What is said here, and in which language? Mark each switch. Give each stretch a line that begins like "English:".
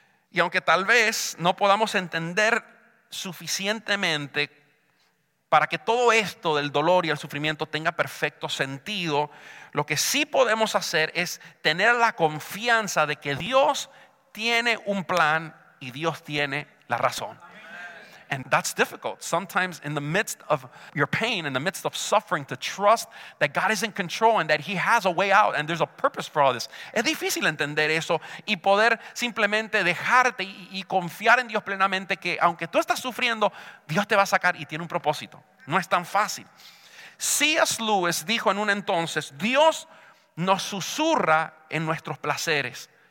Spanish: Y aunque tal vez no podamos entender suficientemente para que todo esto del dolor y el sufrimiento tenga perfecto sentido, lo que sí podemos hacer es tener la confianza de que Dios tiene un plan y Dios tiene la razón.
English: And that's difficult. Sometimes in the midst of your pain, in the midst of suffering, to trust that God is in control and that he has a way out and there's a purpose for all this.
Spanish: Es difícil entender eso y poder simplemente dejarte y confiar en Dios plenamente que aunque tú estás sufriendo, Dios te va a sacar y tiene un propósito. No es tan fácil. C.S. Lewis dijo en un entonces, Dios nos susurra en nuestros placeres.